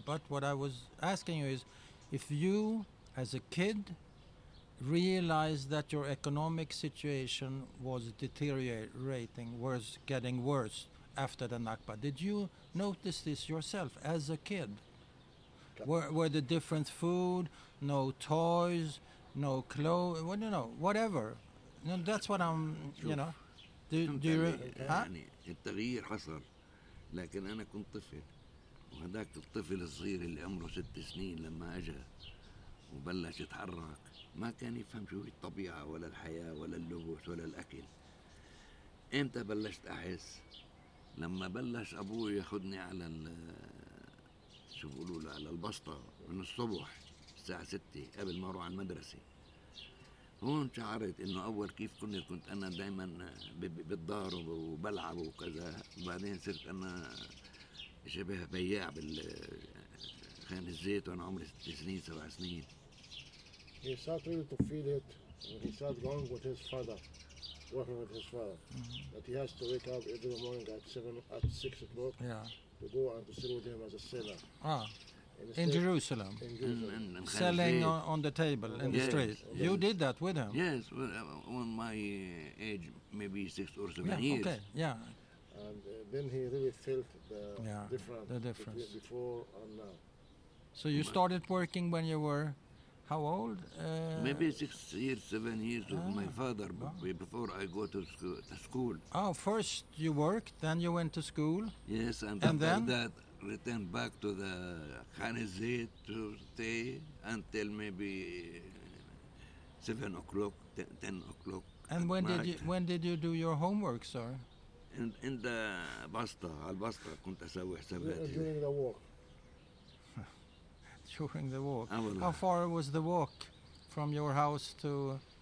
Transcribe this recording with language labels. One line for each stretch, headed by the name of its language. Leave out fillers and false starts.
English: But what I was asking you is, if you, as a kid, realized that your economic situation was deteriorating, was getting worse after the Nakba, did you notice this yourself as a kid? Were the different food, no toys, no clothes, well, you know, whatever. No, that's what I'm, you know.
Arabic: يعني التغيير حصل، لكن أنا كنت طفل، وهذاك الطفل الصغير اللي عمره 6 سنين لما أجا وبلش يتحرك ما كان يفهم شو الطبيعة ولا الحياة ولا اللبس ولا الأكل. إمتى بلشت أحس؟ لما بلش أبوي ياخدني على شو بيقولوا له، على البسطة من الصبح الساعة 6 قبل ما أروح على المدرسة. هون شعرت انه اول كيف كنت انا دايما بالدار وبلعب وكذا، وبعدين صرت انا شبه بياع بالخان الزيت وانا عمري 6 سنين 7 سنين.
English: He started really to feel it when he started going with his father, working with his father, that he has to wake up every morning at 6 o'clock, yeah, to go and to sit with him as a seller. In Jerusalem, selling on the table in the street. Yes. You did that with him? Yes, on my age, maybe 6 or 7 yeah, years. Okay, yeah. And then he really felt the difference before and now. So you started working when you were how old? Maybe 6 years, 7 years with my father before I go to school. Oh, first you worked, then you went to school? Yes, and then that. Return back to the Khan Zayed to stay until maybe 7 o'clock, 10 o'clock. And when did you do your homework, sir? In the basta, al basta,
Arabic: كنت أسوي حساباتي.
English: During the walk. During the walk. How far was the walk from your house to?